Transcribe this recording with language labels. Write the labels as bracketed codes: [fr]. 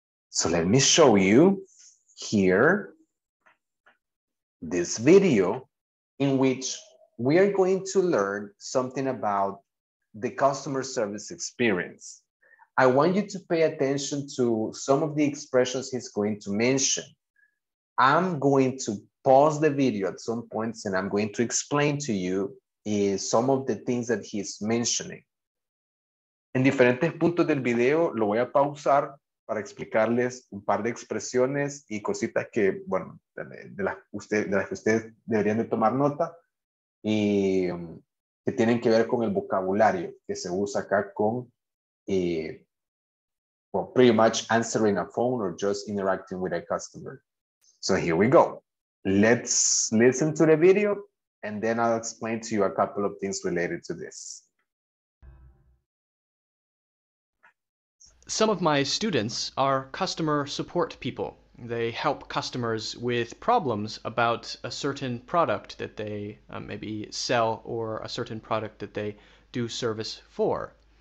[en] So, let me show you here, this video in which we are going to learn something about the customer service experience. I want you to pay attention to some of the expressions he's going to mention. I'm going to pause the video at some points and I'm going to explain to you some of the things that he's mentioning. [es] En diferentes puntos del video lo voy a pausar para explicarles un par de expresiones y cositas que, bueno, de las que ustedes deberían de tomar nota y que tienen que ver con el vocabulario que se usa acá con [en] well, pretty much answering a phone or just interacting with a customer. So here we go. Let's listen to the video and then I'll explain to you a couple of things related to this. Some of my students are customer support people. They help customers with problems about a certain product that they maybe sell or a certain product that they do service for.